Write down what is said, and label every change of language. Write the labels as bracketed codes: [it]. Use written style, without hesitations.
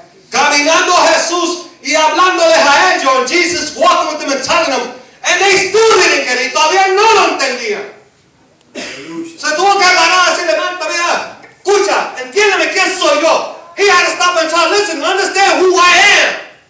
[es] Caminando Jesús y hablándoles a ellos, [en] and Jesus walking with them and telling them, and they still didn't get it. [es] Todavía no lo entendían. Se tuvo que agarrar así, levanta, mira, escucha, entiéndeme quién soy yo. [en] He had to stop and try to listen and understand who I am.